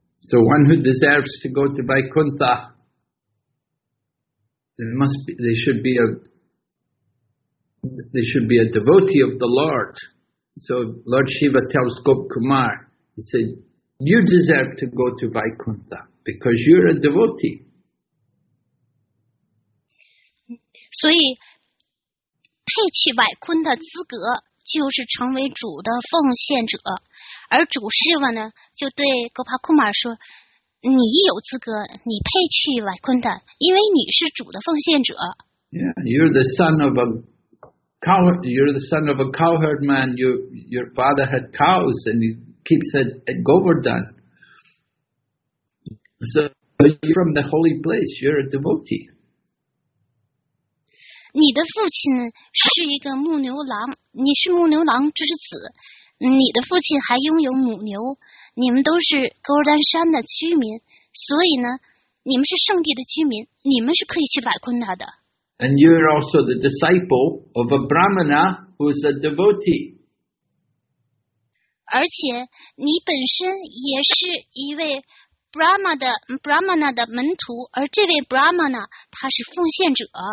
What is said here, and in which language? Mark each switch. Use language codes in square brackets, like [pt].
[en] So one who deserves to go to Vaikuntha, they should be a devotee of the Lord. So Lord Shiva tells Gop Kumar, he said, You deserve to go to Vaikuntha because you're a devotee. [zh] 所以，配去百坤的资格就是成为主的奉献者，而主释文呢就对格帕库玛说：“你有资格，你配去百坤的，因为你是主的奉献者。” [en] Yeah, you're the son of a cow. You're the son of a cowherd man. Your father had cows and he keeps at Govardhan. So you're from the holy place. You're a devotee. [zh] 你的父亲是一个牧牛郎，你是牧牛郎之子，你的父亲还拥有母牛，你们都是格尔丹山的居民，所以呢，你们是圣地的居民，你们是可以去百坤塔的。 [en] And you're also the disciple of a Brahmana who is a devotee. [zh] 而且你本身也是一位 Brahmana 的门徒，而这位 Brahmana 他是奉献者。